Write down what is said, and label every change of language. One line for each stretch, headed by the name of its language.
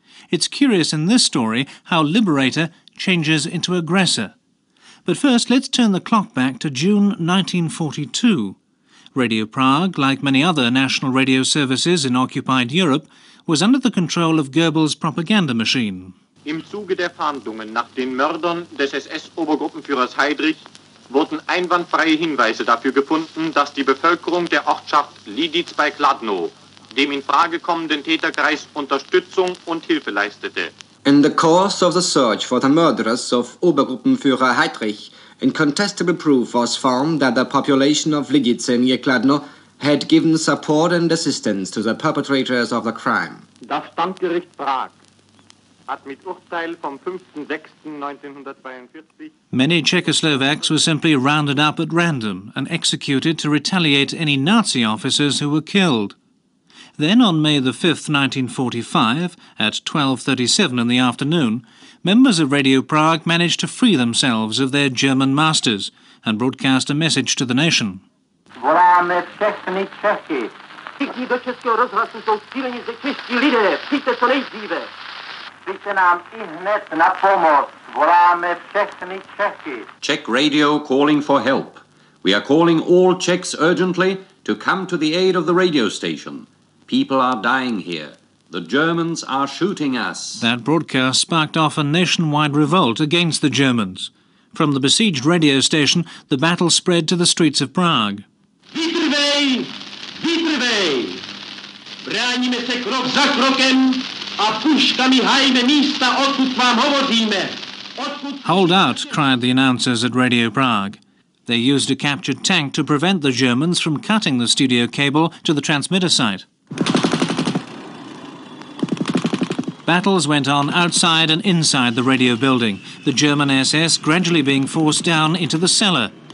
English: It's curious in this story how liberator changes into aggressor. But first, let's turn the clock back to June 1942. Radio Prague, like many other national radio services in occupied Europe, was under the control of Goebbels' propaganda machine.
German: Im Zuge der Fahndungen nach den Mördern des SS-Obergruppenführers Heydrich wurden einwandfreie Hinweise dafür gefunden, dass die Bevölkerung der Ortschaft Liditz bei Kladno dem in Frage kommenden Täterkreis Unterstützung und Hilfe leistete.
English: In the course of the search for the murderers of Obergruppenführer Heydrich, incontestable proof was found that the population of Liditz near Kladno had given support and assistance to the perpetrators of the crime.
German: Das Standgericht Prag hat mit Urteil vom 5.6.1942...
English: Many Czechoslovaks were simply rounded up at random and executed to retaliate any Nazi officers who were killed. Then on May the 5th, 1945, at 12:37 in the afternoon, members of Radio Prague managed to free themselves of their German masters and broadcast a message to the nation.
Czech: Voláme všechny Čechy. Všichni do českého rozhlasu jsou cíleni ze čeští lidé. Přijďte co nejdříve. Přijďte nám i hned na pomoc. Voláme všechny Čechy.
English: Czech radio calling for help. We are calling all Czechs urgently to come to the aid of the radio station. People are dying here. The Germans are shooting us. That broadcast sparked off a nationwide revolt against the Germans. From the besieged radio station, the battle spread to the streets of Prague.
Czech: Vytrvej! Vytrvej! Bráníme se krok za krokem a puškami hajme místa, odkud vám hovoříme.
English: Hold out, cried the announcers at Radio Prague. They used a captured tank to prevent the Germans from cutting the studio cable to the transmitter site. Battles went on outside and inside the radio building, the German SS gradually being forced down into the cellar.